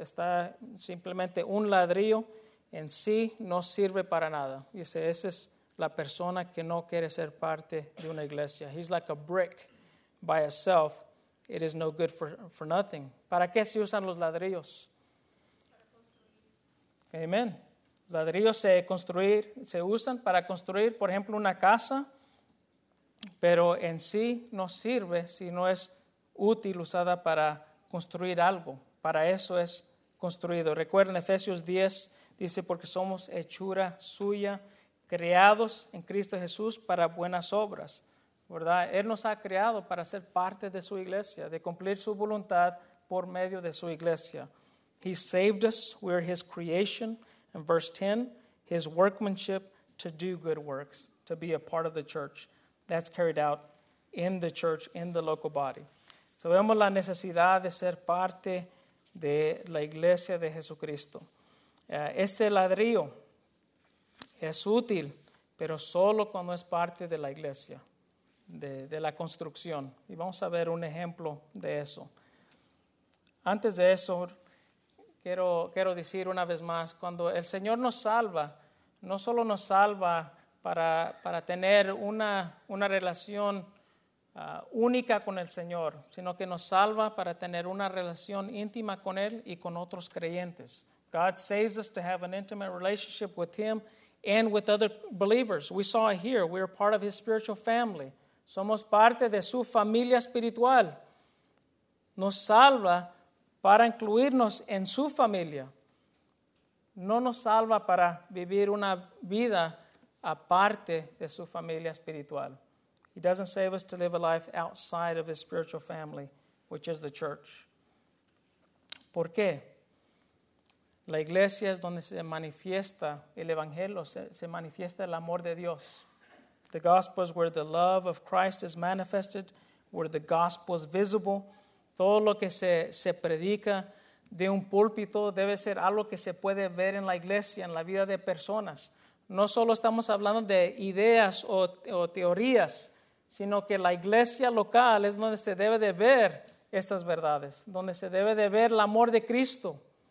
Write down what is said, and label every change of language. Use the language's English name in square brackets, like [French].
[Spanish] Está simplemente un ladrillo en sí, no sirve para nada. Dice, esa es la persona que no quiere ser parte de una iglesia. [English] He's like a brick by itself. It is no good for nothing. [Spanish] ¿Para qué se usan los ladrillos? Amén. Ladrillos se usan para construir, por ejemplo, una casa, pero en sí no sirve si no es útil, usada para construir algo. Para eso es construido. Recuerden, Efesios 10 dice, porque somos hechura suya, creados en Cristo Jesús para buenas obras, ¿verdad? Él nos ha creado para ser parte de su iglesia, de cumplir su voluntad por medio de su iglesia. [English] He saved us, we are his creation. In verse 10, his workmanship to do good works, to be a part of the church. That's carried out in the church, in the local body. [Spanish] So vemos la necesidad de ser parte de la iglesia de Jesucristo. Este ladrillo es útil, pero solo cuando es parte de la iglesia, de la construcción. Y vamos a ver un ejemplo de eso. Antes de eso, quiero decir una vez más, cuando el Señor nos salva, no solo nos salva para tener una relación única con el Señor, sino que nos salva para tener una relación íntima con Él y con otros creyentes. [English] God saves us to have an intimate relationship with Him and with other believers. We saw it here. We are part of His spiritual family. [Spanish] Somos parte de su familia espiritual. Nos salva para incluirnos en su familia. No nos salva para vivir una vida aparte de su familia espiritual. [English] He doesn't save us to live a life outside of his spiritual family, which is the church. [Spanish] ¿Por qué? La iglesia es donde se manifiesta el evangelio, se manifiesta el amor de Dios. [English] The gospel is where the love of Christ is manifested, where the gospel is visible. [Spanish] Todo lo que se predica de un púlpito debe ser algo que se puede ver en la iglesia, en la vida de personas. No solo estamos hablando de ideas o teorías, sino que la iglesia local es donde se debe de ver estas verdades, donde se debe de ver el amor de Cristo.